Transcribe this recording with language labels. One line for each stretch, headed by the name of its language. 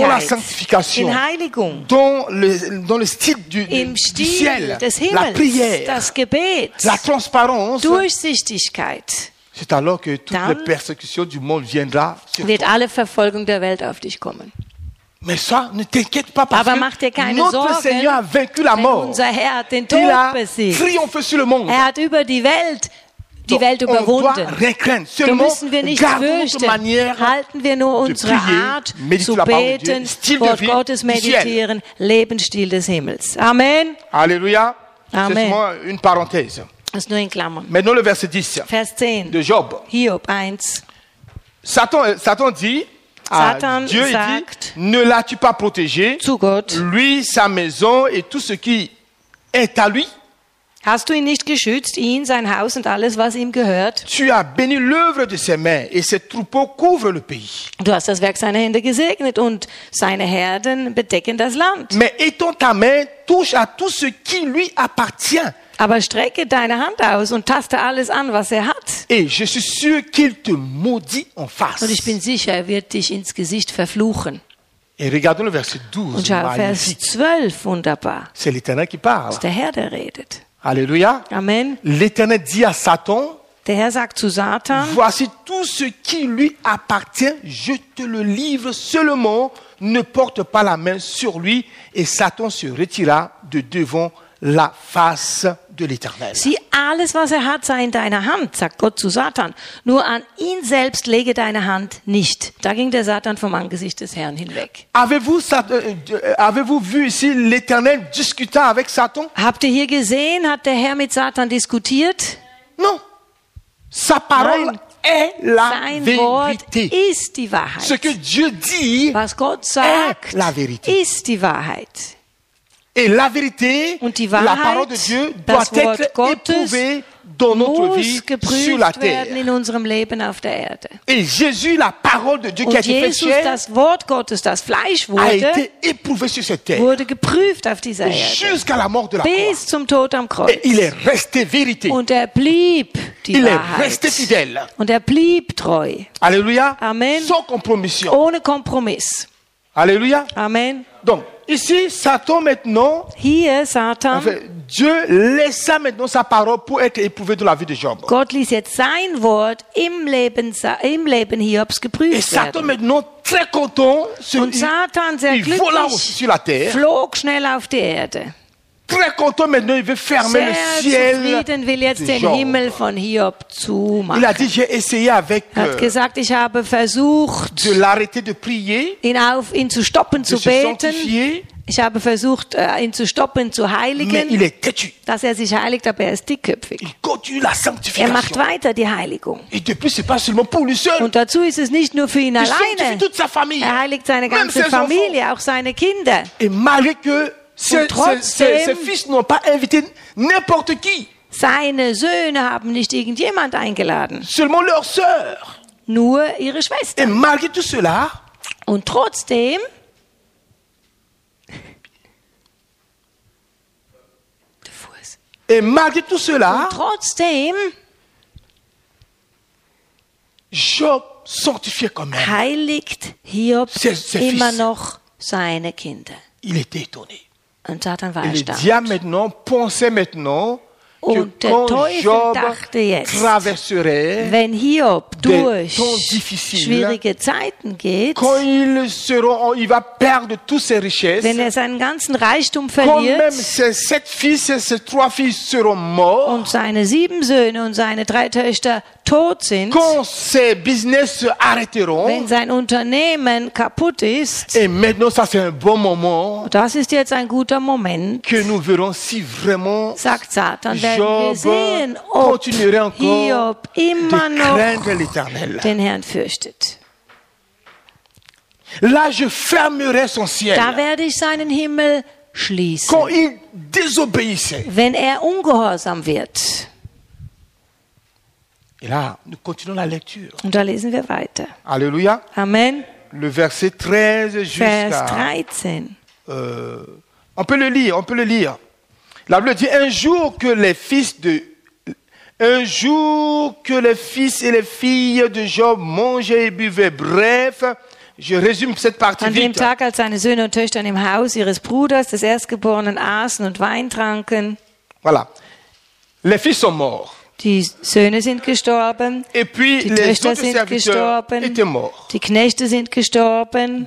French: dans la sanctification,
German: in Heiligung,
French: dans le style du ciel,
German: des Himmels,
French: la prière,
German: das Gebet,
French: la transparence,
German: Durchsichtigkeit,
French: c'est alors que toutes les persécutions du monde viendront sur toi.
German: Alle Verfolgung der Welt auf dich kommen.
French: Mais ça, ne t'inquiète pas parce
German: aber mach dir keine
French: notre
German: Sorgen,
French: Seigneur a vaincu la mort.
German: Unser Herr hat den Tod besiegt.
French: Il a triomphé sur le monde.
German: Er hat über die Welt die Welt überwunden. So müssen wir nicht fürchten. Halten wir nur unsere Art zu beten, Wort Gottes meditieren, Lebensstil des Himmels. Amen. Alléluia. Amen.
French: C'est une parenthèse.
German: Das ist nur in Klammern.
French: Maintenant le verset 10.
German: Vers 10.
French: De Job.
German: Hiob 1.
French: Satan dit à
German: Satan
French: Dieu,
German: sagt,
French: il dit, ne l'as-tu pas protégé?
German: Zu Gott.
French: Lui, sa maison et tout ce qui est à lui.
German: Hast du ihn nicht geschützt, ihn, sein Haus und alles, was ihm gehört?
French: Tu as béni l'œuvre de ses mains et ses troupeaux couvrent le pays.
German: Du hast das Werk seiner Hände gesegnet und seine Herden bedecken das Land.
French: Mais étends ta main, touche à tout ce qui lui appartient.
German: Aber strecke deine Hand aus und taste alles an, was er hat.
French: Et je suis sûr qu'il te maudit en face.
German: Und ich bin sicher, er wird dich ins Gesicht verfluchen.
French: Et regardons le verset 12.
German: Und schau, Vers 12, wunderbar.
French: C'est l'Éternel qui parle. C'est
German: der Herr, der redet. Alléluia. Amen.
French: L'Éternel dit à Satan,
German: der Herr sagt zu Satan,
French: voici tout ce qui lui appartient, je te le livre seulement, ne porte pas la main sur lui, et Satan se retira de devant la face de l'Éternel.
German: Si alles, was er hat, sei in deiner Hand, sagt Gott zu Satan, nur an ihn selbst lege deine Hand nicht. Da ging der Satan vom Angesicht des Herrn hinweg.
French: Avez-vous vu ici l'Éternel discutant avec Satan?
German: Habt ihr hier gesehen, hat der Herr mit Satan diskutiert?
French: Non. Sa parole.
German: Nein.
French: Est la
German: sein
French: vérité.
German: Wort ist die Wahrheit.
French: Ce que Dieu dit,
German: was Gott sagt,
French: la vérité.
German: Ist die Wahrheit.
French: Et la vérité,
German: und die Wahrheit,
French: la parole de Dieu, doit être éprouvée dans notre vie
German: geprüft
French: sur la terre.
German: Werden in unserem Leben auf der Erde.
French: Et Jésus, la parole de Dieu, qui a été fait chair,
German: das Wort Gottes, das Fleisch wurde,
French: a été éprouvé sur cette terre.
German: Wurde geprüft auf dieser Erde.
French: Jusqu'à la mort de la
German: bis
French: croix.
German: Zum Tod am Kreuz.
French: Et il est resté vérité.
German: Und er blieb die
French: il
German: Wahrheit.
French: Est resté fidèle.
German: Und er blieb treu. Alléluia. Amen.
French: Sans compromission.
German: Ohne Kompromiss. Alléluia. Amen.
French: Donc, ici, Satan maintenant.
German: Hier, Satan.
French: En fait, Dieu laissa maintenant sa parole pour être éprouvé dans la vie de Job.
German: Gott ließ jetzt sein Wort im Leben Hiobs geprüft werden.
French: Et Satan
German: werden.
French: Maintenant très content.
German: Und Satan sehr
French: il
German: glücklich.
French: Vola aussi sur la terre.
German: Flog schnell auf die Erde.
French: Très content maintenant, il veut fermer
German: sehr
French: le ciel.
German: Zufrieden will jetzt
French: de
German: den
French: Job.
German: Himmel von Hiob zumachen.
French: Il a dit, j'ai essayé avec.
German: Hat gesagt, ich habe versucht.
French: De l'arrêter de prier.
German: Ihn zu stoppen,
French: de
German: zu
French: se
German: beten.
French: Sanctifier.
German: Ich habe versucht, ihn zu stoppen, zu heiligen. Mais il est têtu. Dass er sich heiligt, aber er ist dickköpfig.
French: Il continue la sanctification.
German: Er macht weiter die Heiligung.
French: Et de plus, c'est pas seulement pour lui seul.
German: Und dazu ist es nicht nur für ihn
French: il
German: alleine.
French: Toute sa famille.
German: Er heiligt seine ganze Familie,
French: enfants.
German: Auch seine Kinder.
French: Et malgré que ses fils n'ont pas invité n'importe qui.
German: Seine Söhne haben nicht irgendjemand eingeladen.
French: Seulement leur sœur.
German: Nur ihre Schwester.
French: Et malgré tout cela.
German: Und trotzdem.
French: Et malgré tout cela,
German: und trotzdem,
French: Job sanctifiait quand même
German: heiligt Hiob immer noch seine Kinder.
French: Il était étonné.
German: Und Satan war erstaunt.
French: Le diable maintenant pensait maintenant que quand Job traverserait
German: wenn Hiob durch
French: des temps difficiles,
German: schwierige Zeiten geht,
French: quand il va perdre toutes ses richesses,
German: wenn er seinen ganzen Reichtum verliert,
French: quand même ses sept fils et ses trois fils seront morts,
German: und seine sieben Söhne und seine drei Töchter tot sind,
French: quand ses business se arrêteront,
German: wenn sein Unternehmen kaputt ist,
French: et maintenant ça c'est un bon moment,
German: das ist jetzt ein guter Moment,
French: que nous verrons si vraiment,
German: sagt Satan, werden wir sehen, ob Hiob immer noch den Herrn fürchtet.
French: Là, je fermerai son ciel.
German: Da werde ich seinen Himmel schließen.
French: Quand il désobéissait.
German: Wenn er ungehorsam wird.
French: Et là, nous continuons la lecture.
German: Und da lesen wir weiter. Alléluia. Amen.
French: Le verset 13 jusqu'à,
German: Vers 13.
French: On peut le lire. La Bible dit un jour que les fils et les filles de Job mangeaient et buvaient. Bref, je résume cette partie vite.
German: An dem Tag, als seine Söhne und Töchter im Haus ihres Bruders des Erstgeborenen aßen und Wein tranken.
French: Voilà. Les fils sont morts.
German: Die Söhne sind gestorben.
French: Et puis
German: die
French: les
German: Töchter sind gestorben.
French: Étaient morts.
German: Die Knechte sind gestorben.